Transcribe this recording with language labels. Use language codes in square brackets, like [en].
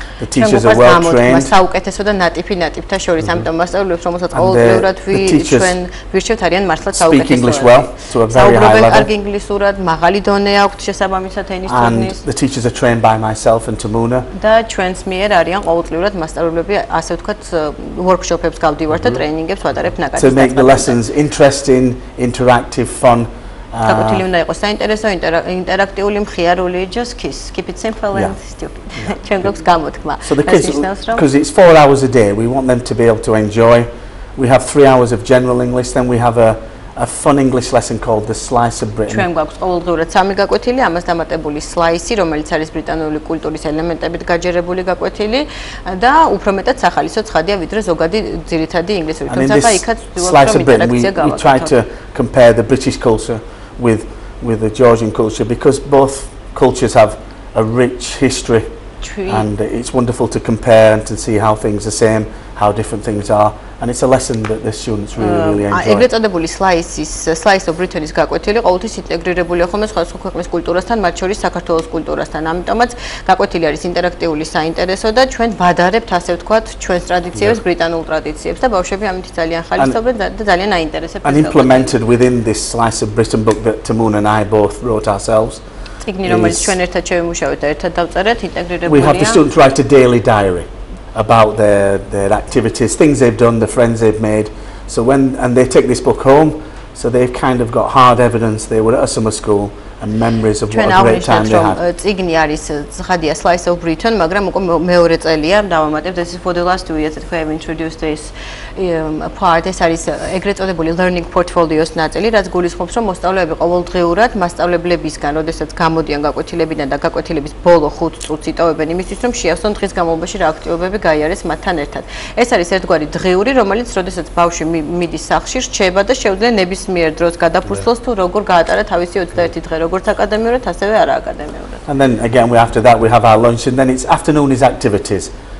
[en] The teachers are well trained. Speak English well, so a very high level. And the teachers are trained by myself and Tamuna. To make the lessons interesting, interactive, fun. [ka] Კაპიტული უნდა იყოს საინტერესო, ინტერაქტიული, მხიარული, [en] just kiss. Keep it simple and stupid. [ka] ჩვენ გვაქვს გამოთქმა. [en] Because it's 4 hours a day. We want them to be able to enjoy. We have 3 hours of general English, then we have a fun English lesson called the Slice of Britain. [ka] ჩვენ გვაქვს ყოველდღურად სამი გაკვეთილი, ამას დამატებული slice, რომელიც არის ბრიტანული კულტურის ელემენტებით გაჯერებული გაკვეთილი და უფრო მეტად სახალისო ცხადია ვიდრე ზოგადი ძირითადი ინგლისური. თუმცა იქაც ვთქვათ, რომ ინტერაქცია გავაკეთეთ. [en] We try to compare the British culture with the Georgian culture because both cultures have a rich history. True. And it's wonderful to compare and to see how things are same, how different things are. And it's a lesson that the students really enjoy. [ka] ეგრეთ წოდებული slice of Britain-ის გაკვეთილი ყოველთვის ინტეგრირებულია ხოლმე სხვადასხვა ქვეყნის კულტურასთან, მათ შორის საქართველოს კულტურასთან. ამიტომაც გაკვეთილი არის ინტერაქტიული, საინტერესო და ჩვენ ვადარებთ, ასე ვთქვათ, ჩვენს ტრადიციებს, ბრიტანულ ტრადიციებს და ბავშვები ამით ძალიან ხალისობენ და ძალიან აინტერესებს. [en] And implemented within this slice of Britain book that Tamun and I both wrote ourselves. [ka] ციგნი, რომელიც ჩვენ ერთად შევიმუშავეთ და ერთად დავწერეთ, ინტეგრირებულია. [en] We have the students write a daily diary about their activities, things they've done, the friends they've made. So when, and they take this book home, so they've kind of got hard evidence they were at a summer school and memories of what a great time they had. [ka] Წიგნი არის ცხადია, slice of Britain, მაგრამ უკვე მეორე წელია დავამატებ. [en] This is for the last 2 years that we have introduced this part. [ka] ეს არის ეგრეთ წოდებული learning portfolios ნაწილი, რაც გულისხმობს, რომ მოსწავლეები ყოველდღიურად მასწავლებლებისგან, როდესაც გამოდიან გაკვეთილებიდან და გაკვეთილების ბოლო 5 წუთს იტოვებენ იმისთვის, რომ შეასწონ დღის განმავლობაში რა აქტივობები გაიარეს მათთან ერთად. ეს არის ერთგვარი დღიური, რომელიც როდესაც ბავშვი მიდის სახლში, რჩება და შეუძლია ნებისმიერ დროს გადაფურცლოს თუ როგორ გაატარა თავისი 21 დღე, როგორც აკადემიურად, ასევე არააკადემიურად. [en] And then again we after that we have our lunch and then it's afternoon is activities.